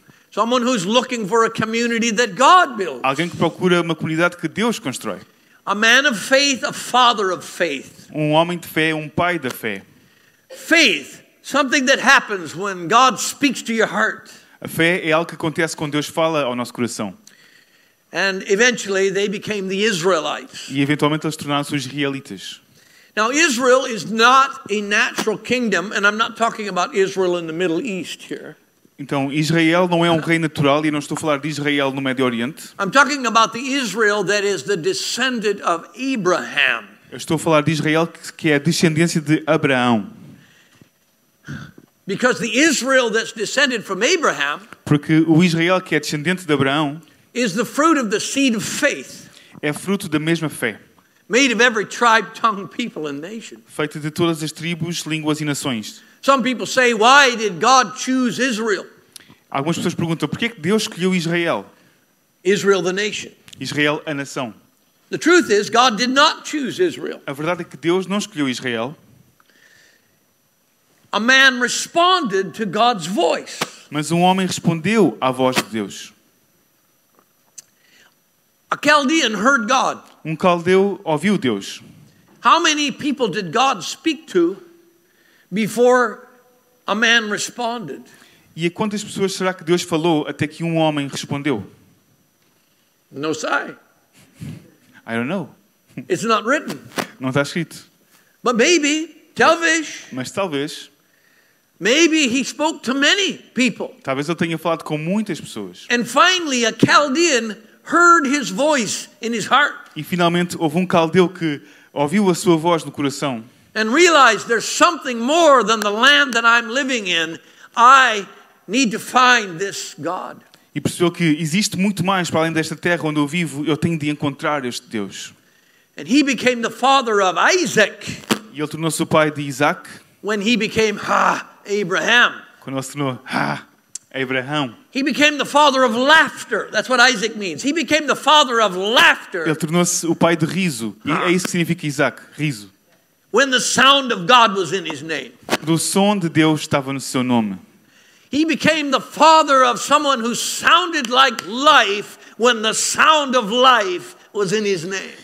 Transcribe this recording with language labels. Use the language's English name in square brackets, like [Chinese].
[English] Someone who's looking for a community that God builds. [Portuguese] Alguém que procura uma comunidade que Deus constrói. [English] A man of faith, a father of faith. [Portuguese] Um homem de fé, um pai da fé. [English] Faith, something that happens when God speaks to your heart. [Portuguese] A fé é algo que acontece quando Deus fala ao nosso coração. [English] And eventually they became the Israelites. [Portuguese] E eventualmente eles tornaram-se os israelitas. [English] Now Israel is not a natural kingdom, and I'm not talking about Israel in the Middle East here. [Portuguese] Então Israel não é um rei natural e eu não estou a falar de Israel no Médio Oriente. [English] I'm talking about the Israel that is the descendant of Abraham. [Portuguese] Eu estou a falar de Israel que é a descendência de Abraão. [English] Because the Israel that's descended from Abraham, [Portuguese] porque o Israel que é descendente de Abraão, [English] is the fruit of the seed of faith. [Portuguese] É fruto da mesma fé. [English] Made of every tribe, tongue, people and nation. [Portuguese] Feito de todas as tribos, línguas e nações. [English] Some people say, why did God choose Israel? [Portuguese] Algumas pessoas perguntam, por que é que Deus escolheu Israel? [English] Israel the nation. [Portuguese] Israel a nação. [English] The truth is, God did not choose Israel. [Portuguese] A verdade é que Deus não escolheu Israel. [English] A man responded to God's voice. [Portuguese] Mas um homem respondeu à voz de Deus. [English] A Chaldean heard God. [Portuguese] Um caldeu ouviu Deus. [English] How many people did God speak to before a man responded? [Portuguese] E a quantas pessoas será que Deus falou até que um homem respondeu? [English] No sign. I don't know. It's not written. [Portuguese] Não está escrito. [English] But maybe, [Portuguese] talvez. Mas talvez. [English] Maybe he spoke to many people. [Portuguese] Talvez ele tenha falado com muitas pessoas. [English] And finally, a Chaldean heard his voice in his heart. [Portuguese] E finalmente houve um caldeu que ouviu a sua voz no coração. [English] And realized there's something more than the land that I'm living in. I need to find this God. [Portuguese] E percebeu que existe muito mais para além desta terra onde eu vivo. Eu tenho de encontrar este Deus. [English] And he became the father of Isaac. [Portuguese] E ele tornou-se o pai de Isaac. [English] When he became Abraham. [Portuguese] Quando ele se tornou Abraham. [English] He became the father of laughter. That's what Isaac means. He became the father of laughter. [Portuguese] Ele tornou-se o pai de riso. E é isso que significa Isaac, riso. [English] When the sound of God was in his name. [Portuguese] Do som de Deus estava no seu nome. [English] He became the father of someone who sounded like life when the sound of life was in his name.